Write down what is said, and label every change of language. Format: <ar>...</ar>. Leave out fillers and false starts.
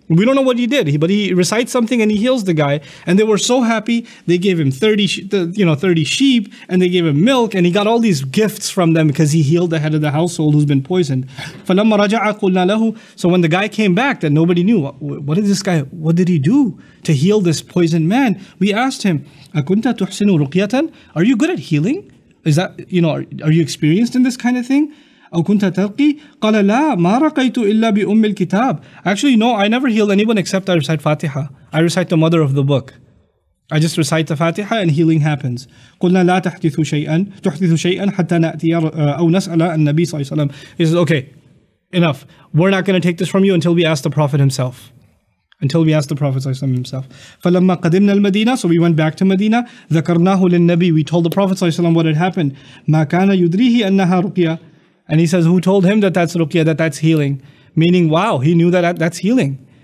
<en>We don't know what he did, but he recites something and he heals the guy. And they were so happy, they gave him 30 sheep, and they gave him milk, and he got all these gifts from them because he healed the head of the household who's been poisoned.</en> <ar>فَلَمَّا رَجَعَ قُلْنَا لَهُ</ar> <en>So when the guy came back, that nobody knew, what is this guy, what did he do to heal this poisoned man? We asked him,</en> <ar>أَكُنْتَ تُحْسِنُ رُقْيَةً</ar> <en>Are you good at healing? Is that, you know, are you experienced in this kind of thing?</en> <ar>أو كنت تلقي؟ قال لا ما رقيت إلا بأم الكتاب.</ar> <en>Actually, no, I never healed anyone except I recite Fatiha. I recite the mother of the book. I just recite the Fatiha and healing happens.</en> <ar>قلنا لا تحدث شيئا تحدث شيئا حتى نأتي أو نسأل النبي صلى الله عليه وسلم.</ar> <en>He says, okay, enough. We're not going to take this from you until we ask the Prophet himself. Until we ask the Prophet</en> <ar>صلى الله عليه وسلم</ar> <en>himself.</en> <ar>فلما قدمنا المدينة,</ar> <en>so we went back to Medina.</en> <ar>ذكرناه للنبي.</ar> <en>We told the Prophet</en> <ar>صلى الله عليه وسلم</ar> <en>what had happened.</en> <ar>ما كان يدريه أنها رقية.</ar> <en>And he says, who told him that that's ruqya, that that's healing? Meaning, wow, he knew that that's healing.</en>